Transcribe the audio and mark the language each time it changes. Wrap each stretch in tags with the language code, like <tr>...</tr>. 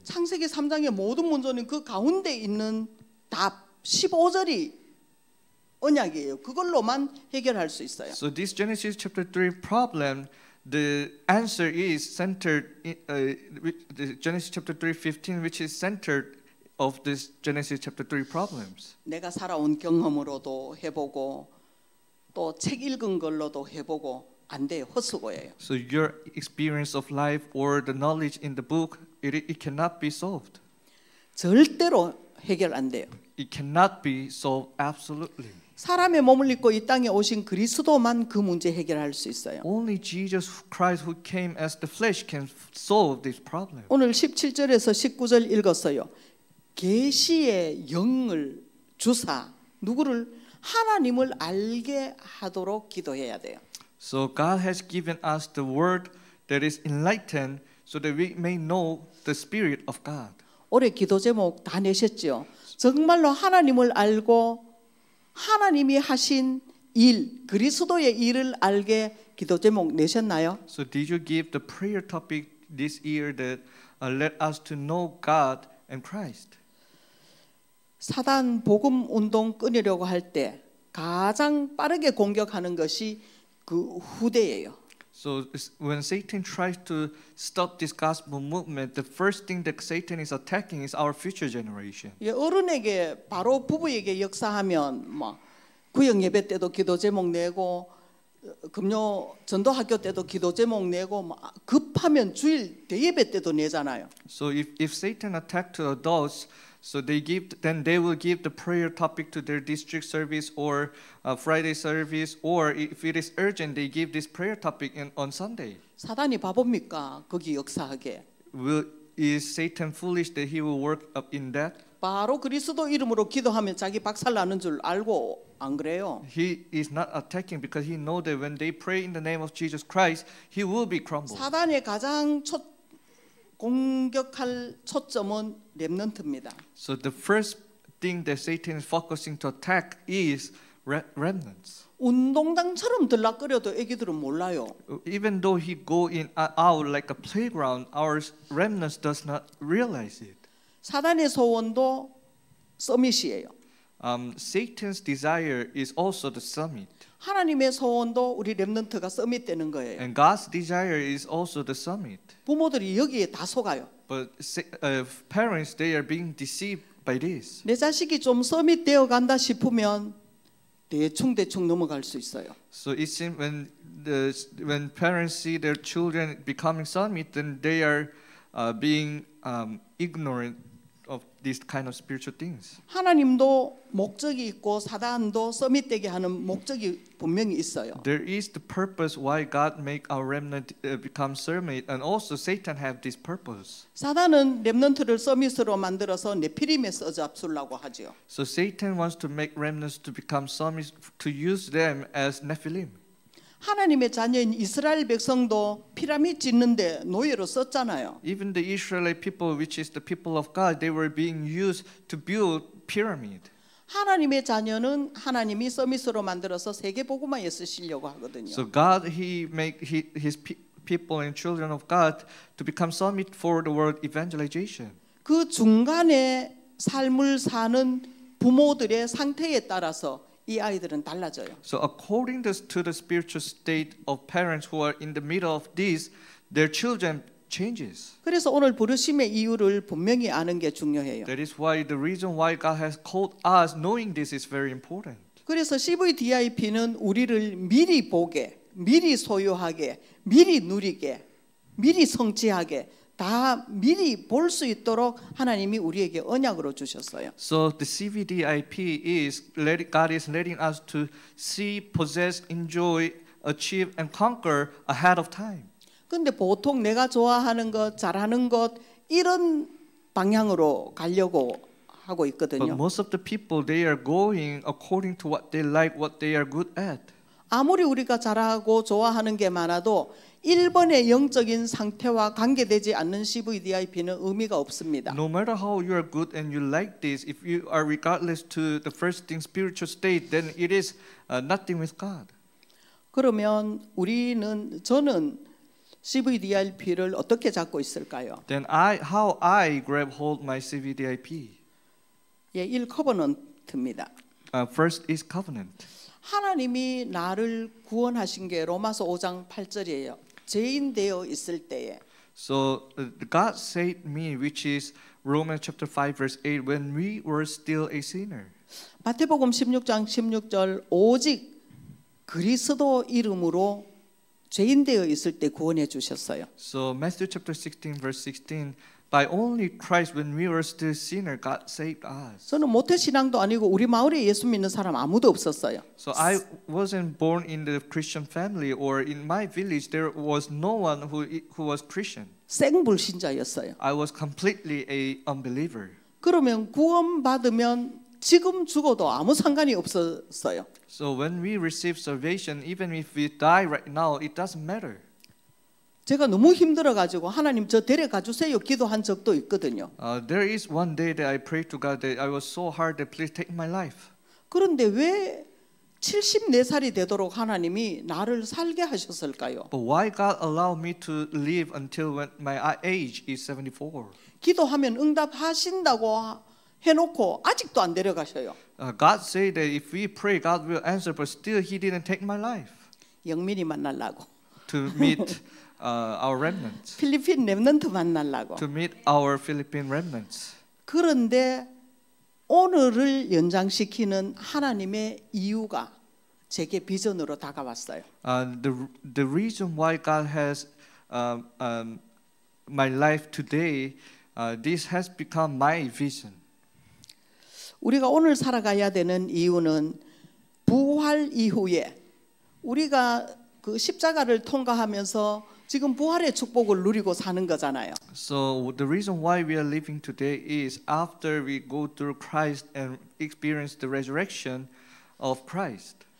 <ko>창세기 3장의 모든 문제는 그 가운데 있는 답 15절이 언약이에요. 그걸로만 해결할 수 있어요.</ko> <en>So this Genesis chapter 3 problem, the answer is centered the Genesis chapter 3:15 which is centered of this Genesis chapter 3 problems.</en> <ko>내가 살아온 경험으로도 해보고 또 책 읽은 걸로도 해보고 안 돼요. 헛수고예요.</ko> <en>So your experience of life or the knowledge in the book, it cannot be solved.</en> <ko>절대로 해결 안 돼요.</ko> <en>It cannot be solved absolutely.</en> <ko>사람의 몸을 입고 이 땅에 오신 그리스도만 그 문제 해결할 수 있어요.</ko> <en>Only Jesus Christ who came as the flesh can solve this problem.</en> <ko>오늘 17절에서 19절 읽었어요. 계시의 영을 주사 누구를 하나님을 알게 하도록 기도해야 돼요.</ko> <en>So God has given us the word that is enlightened so that we may know the spirit of God.</en> <ko>올해 기도 제목 다 내셨죠? 정말로 하나님을 알고 하나님이 하신 일, 그리스도의 일을 알게 기도 제목 내셨나요?</ko> <en>So did you give the prayer topic this year that let us to know God and Christ?</en> <ko>사단 복음 운동 끊으려고 할 때 가장 빠르게 공격하는 것이 그 후대예요.</ko> <en>So when Satan tries to stop this gospel movement, the first thing that Satan is attacking is our future generation.</en> <ko>예, 어른에게 바로 부부에게 역사하면 뭐 구역 예배 때도 기도 제목 내고 금요 전도 학교 때도 기도 제목 내고 뭐 급하면 주일 대예배 때도 내잖아요.</ko> <en>So if Satan attack to adults, so they give, then they will give the prayer topic to their district service or Friday service, or if it is urgent, they give this prayer topic on Sunday.</en> <ko>사단이 바보입니까? 거기 역사하게.</ko> <en>Is Satan foolish that he will work up in that?</en> <ko>바로 그리스도 이름으로 기도하면 자기 박살 나는 줄 알고 안 그래요?</ko> <en>He is not attacking because he knows that when they pray in the name of Jesus Christ, he will be crumbled.</en> <ko>사단의 가장 첫 공격할 초점은 렘넌트입니다.</ko> <en>So the first thing that Satan is focusing to attack is remnants.</en> <ko>운동장처럼 들락거려도 아기들은 몰라요.</ko> <en>Even though he go in out like a playground, our remnants does not realize it.</en> <ko>사단의 소원도 서밋이에요.</ko> <en>Satan's desire is also the summit.</en> <ko>하나님의 소원도 우리 렘넌트가 서밋 되는 거예요.</ko> <en>And God's desire is also the summit.</en> <ko>부모들이 여기에 다 속아요.</ko> <en>But parents, they are being deceived by this.</en> <ko>내 자식이 좀 서밋 되어 간다 싶으면 대충 대충 넘어갈 수 있어요.</ko> <en>So it seems when parents see their children becoming summit, then they are being ignorant. Of these kind of spiritual things.</en> <ko>하나님도 목적이 있고 사단도 서밋되게 하는 목적이 분명히 있어요.</ko> <en>There is the purpose why God make our remnant become summit, and also Satan have this purpose.</en> <ko>사단은 렘넌트를 서밋으로 만들어서 네피림에 써잡수려고 하죠.</ko> <en>So Satan wants to make remnants to become summit to use them as nephilim.</en> <ko>하나님의 자녀인 이스라엘 백성도 피라미드 짓는데 노예로 썼잖아요.</ko> <en>Even the Israelite people, which is the people of God, they were being used to build pyramid.</en> <ko>하나님의 자녀는 하나님이 서밋으로 만들어서 세계 복음화에 쓰시려고 하거든요.</ko> <en>So God, He make His people and children of God to become summit for the world evangelization.</en> <ko>그 중간에 삶을 사는 부모들의 상태에 따라서. 이 아이들은 달라져요.</ko> <en>So according to the spiritual state of parents who are in the middle of this, their children changes.</en> <ko>그래서 오늘 부르심의 이유를 분명히 아는 게 중요해요.</ko> <en>That is why the reason why God has called us, knowing this is very important.</en> <ko>그래서 CVDIP는 우리를 미리 보게, 미리 소유하게, 미리 누리게, 미리 성취하게 다 미리 볼 수 있도록 하나님이 우리에게 언약으로 주셨어요.</ko> <en>So the CVDIP is God is letting us to see, possess, enjoy, achieve, and conquer ahead of time.</en> <ko>근데 보통 내가 좋아하는 것, 잘하는 것 이런 방향으로 가려고 하고 있거든요.</ko> <en>But most of the people they are going according to what they like, what they are good at.</en> <ko>아무리 우리가 잘하고 좋아하는 게 많아도 1번의 영적인 상태와 관계되지 않는 CVDIP는 의미가 없습니다.</ko> <en>No matter how you are good and you like this, if you are regardless to the first thing spiritual state, then it is nothing with God.</en> <ko>그러면 우리는 저는 CVDIP를 어떻게 잡고 있을까요?</ko> <en>Then how I grab hold my CVDIP?</en> <ko>예, 1 커버넌트입니다.</ko> <en>First is covenant.</en> <ko>하나님이 나를 구원하신 게 로마서 5장 8절이에요. 죄인 되어 있을 때에.</ko> <en>So God saved me, which is Romans chapter 5 verse 8, when we were still a sinner.</en> <ko>마태복음 16장 16절 오직 그리스도 이름으로 죄인 되어 있을 때 구원해 주셨어요.</ko> <en>So Matthew chapter 16 verse 16. By only Christ, when we were still sinners, God saved us.</en> <ko>저는 모태 신앙도 아니고 우리 마을에 예수 믿는 사람 아무도 없었어요.</ko> <en>So I wasn't born in the Christian family or in my village. There was no one who was Christian.</en> <ko>생불신자였어요.</ko> <en>I was completely a unbeliever.</en> <ko>그러면 구원 받으면 지금 죽어도 아무 상관이 없었어요.</ko> <en>So when we receive salvation, even if we die right now, it doesn't matter.</en> <ko>제가 너무 힘들어 가지고 하나님 저 데려가 주세요 기도한 적도 있거든요.</ko> <en>There is one day that I prayed to God that I was so hard that please take my life.</en> <ko>그런데 왜 74살이 되도록 하나님이 나를 살게 하셨을까요?</ko> <en>But why God allowed me to live until when my age is 74?</en> <ko>기도하면 응답하신다고 해 놓고 아직도 안 데려가셔요.</ko> <en>God said that if we pray God will answer but still he didn't take my life.</en> <ko>영민이 만나려고</ko> <en>to meet our remnants.</en> <ko>필리핀 렘넌트 만나려고.</ko> <en>To meet our Philippine remnants.</en> <ko>그런데 오늘을 연장시키는 하나님의 이유가 제게 비전으로 다가왔어요.</ko> <en>The reason why God has my life today, this has become my vision.</en> <ko>우리가 오늘 살아가야 되는 이유는 부활 이후에 우리가 그 십자가를 통과하면서 지금 부활의 축복을 누리고 사는 거잖아요.</ko> <en>So the reason why we are living today is after we go through Christ and experience the resurrection of Christ.</en>